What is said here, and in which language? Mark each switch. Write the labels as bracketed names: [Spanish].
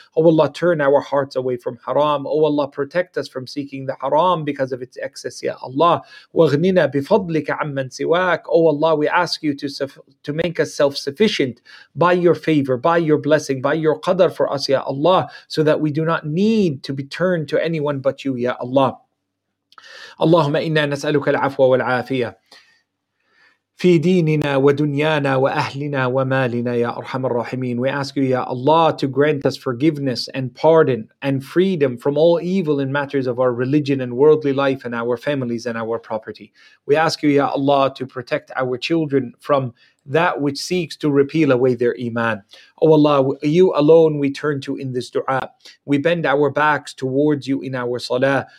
[English] Oh Allah, turn our hearts away from haram. Oh Allah, protect us from seeking the haram because of its excess, Ya Allah. [Arabic] وَغْنِنَا بِفَضْلِكَ عَمَّنْ سِوَاكَ. [English] Oh Allah, we ask you to make us self-sufficient by your favor, by your blessing, by your qadr for us, Ya Allah, so that we do not need to be turned to anyone but you, Ya Allah. [Arabic] اللهم إنا نسألك العفو والعافية في ديننا ودنيانا وأهلنا ومالنا يا أرحم الراحمين. [English] We ask you, Ya Allah, to grant us forgiveness and pardon and freedom from all evil in matters of our religion and worldly life and our families and our property. We ask you, Ya Allah, to protect our children from that which seeks to repeal away their iman. Oh Allah, you alone we turn to in this dua. We bend our backs towards you in our salah.